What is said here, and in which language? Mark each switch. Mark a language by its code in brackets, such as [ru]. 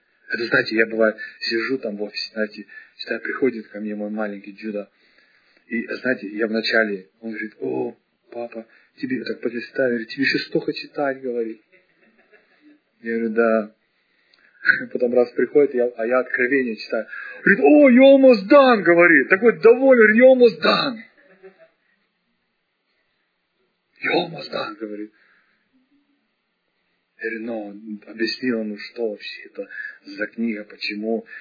[ru] Это, знаете, я бываю, сижу там в офисе, знаете, читаю, приходит ко мне мой маленький Джуда. И, знаете, я вначале, он говорит, о, папа, тебе так подлистаю, тебе еще столько читать, говорит. Я говорю, да. Потом раз приходит, я откровение читаю. Говорит, о, [en] you almost done, [ru] говорит. Такой доволен, [en] you almost done. You almost done, [ru] говорит. Я говорю, ну, объяснил ему, что вообще это за книга, почему.